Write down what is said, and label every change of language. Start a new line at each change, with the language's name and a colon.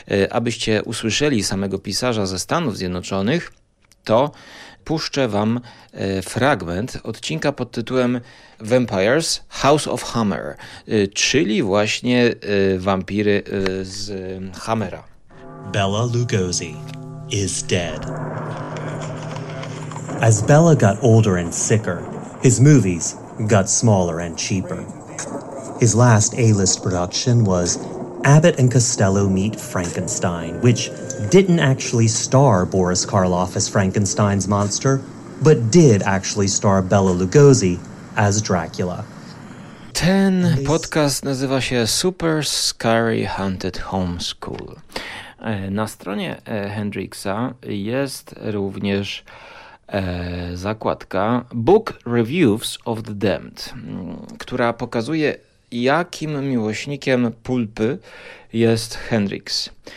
Polish: Abyście usłyszeli samego pisarza ze Stanów Zjednoczonych, to puszczę wam fragment odcinka pod tytułem Vampires House of Hammer, czyli właśnie wampiry z Hammera.
English: Bela Lugosi is dead. As Bela got older and sicker, his movies got smaller and cheaper. His last A-list production was Abbott and Costello Meet Frankenstein, which didn't actually star Boris Karloff as Frankenstein's monster, but did actually star Bela Lugosi as Dracula.
Polish: Ten podcast nazywa się Super Scary Haunted Homeschool. Na stronie Hendrixa jest również zakładka Book Reviews of the Damned, która pokazuje, jakim miłośnikiem pulpy jest Hendrix.